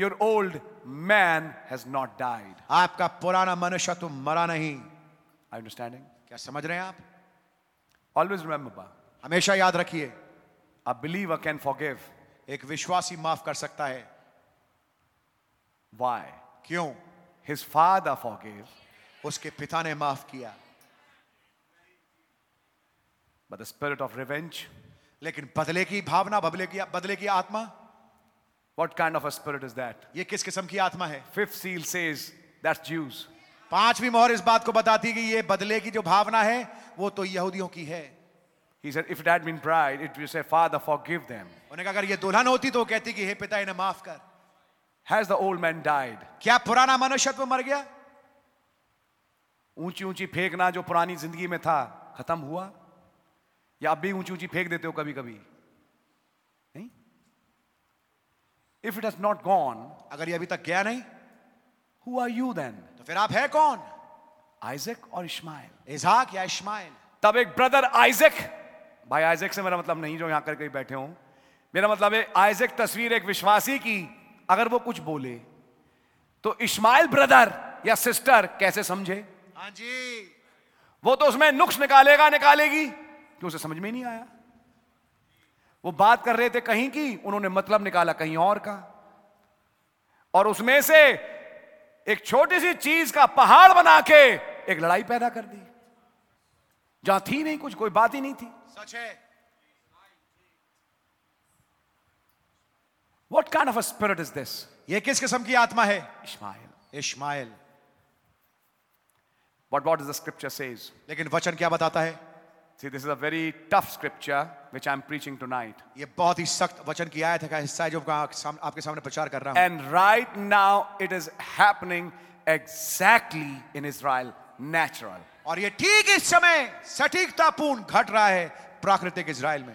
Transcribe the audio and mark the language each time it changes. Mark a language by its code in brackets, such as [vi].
[en] Your old man has not died. [hi] आपका पुराना मनुष्य तो मरा नहीं. [en] Are you understanding? [hi] क्या समझ रहे हैं आप? [en] Always remember. [hi] हमेशा याद रखिए. [en] A believer can forgive. [hi] एक विश्वासी माफ कर सकता है. [en] Why? [hi] क्यों? [en] His father forgave. [hi] उसके पिता ने माफ किया. [en] But the spirit of revenge. [hi] लेकिन बदले की भावना, बदले की आत्मा. [en] What kind of a spirit is that? [hi] ये किस किस्म की आत्मा है? [en] Fifth seal says that's Jews. [hi] पांचवी मोहर इस बात को बताती है कि ये बदले की जो भावना है, वो तो यहूदियों की है. [en] He said, if it had been bride, it would say, father, forgive them. [hi] उन्हें कहा अगर ये दुल्हन होती तो कहती कि हे पिता इन्हें माफ कर. [en] Has the old man died? [hi] क्या पुराना मनुष्यत्व मर गया? ऊंची ऊंची फेंकना जो पुरानी जिंदगी में था खत्म हुआ? या अब भी ऊंची ऊंची फेंक देते हो कभी कभी? नहीं. [en] If it has not gone, [hi] अगर ये अभी तक गया नहीं, [en] who are you then? [hi] तो फिर आप है कौन? Isaac और Ishmael? इजाक या Ishmael? तब एक ब्रदर Isaac, भाई Isaac से मेरा मतलब नहीं जो यहां करके बैठे हूं, मेरा मतलब है Isaac तस्वीर एक विश्वासी की, अगर वो कुछ बोले तो इश्माइल ब्रदर या सिस्टर कैसे समझे? हाँ जी, वो तो उसमें नुक्स निकालेगा निकालेगी कि उसे समझ में नहीं आया. वो बात कर रहे थे कहीं की, उन्होंने मतलब निकाला कहीं और का, और उसमें से एक छोटी सी चीज का पहाड़ बना के एक लड़ाई पैदा कर दी जहां थी नहीं कुछ, कोई बात ही नहीं थी. सच है. [en] What kind of a spirit is this? [hi] ये किस किस्म की आत्मा है? [en] Ishmael. [hi] Ishmael. [en] But what does the scripture says? [hi] लेकिन वचन क्या बताता है? [en] See, this is a very tough scripture which I'm preaching tonight. [hi] ये बहुत ही सख्त वचन की आयत का हिस्सा है जो आपके सामने प्रचार कर रहा हूं. [en] And right now it is happening exactly in Israel, natural. [hi] और ये ठीक इस समय सटीकतापूर्ण घट रहा है प्राकृतिक इज़राइल में.